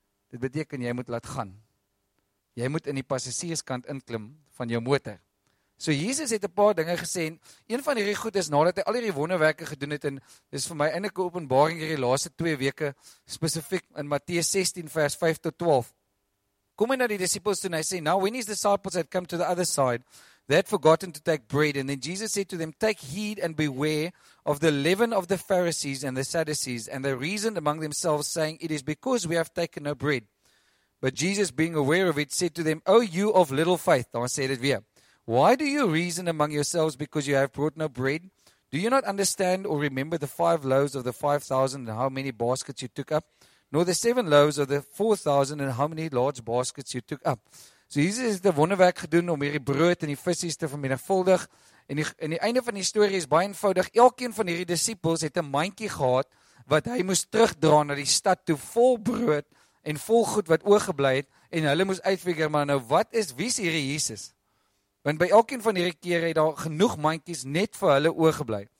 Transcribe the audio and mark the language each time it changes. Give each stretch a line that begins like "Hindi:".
Afrikaans: Dit beteken jy moet laat gaan. Jy moet in die passasierskant inklim van jou motor. So Jesus het 'n paar dinge gesê en een van hierdie goed is nadat hy al hierdie wonderwerke gedoen het en dis vir my eintlik 'n openbaring hierdie laaste 2 weke spesifiek in Matteus 16 vers 5 tot 12. Kom hy na die disippels toe en hy sê,
English: "Now when his disciples had come to the other side, they had forgotten to take bread, and then Jesus said to them, 'Take heed and beware of the leaven of the Pharisees and the Sadducees.' And they reasoned among themselves, saying, 'It is because we have taken no bread.' But Jesus, being aware of it, said to them, 'O you of little faith,'"
Afrikaans: dan sê dit weer,
English: "'Why do you reason among yourselves because you have brought no bread? Do you not understand or remember the 5 loaves of the 5,000 and how many baskets you took up? Nor the 7 loaves of the 4,000 and how many large baskets you took up?'"
Afrikaans: So Jesus het 'n wonderwerk gedoen om hierdie brood en die visse te vermenigvuldig. En in die einde van die story is baie eenvoudig. Elkeen van hierdie disippels het 'n mandjie gehad wat hy moes terugdra na die stad toe vol brood en vol goed wat oorgebly het. En hulle moes uitfigure, maar nou wat is, wie is hierdie Jesus? Want by elkeen van hierdie kere het daar genoeg mandjies net vir hulle oorgebly.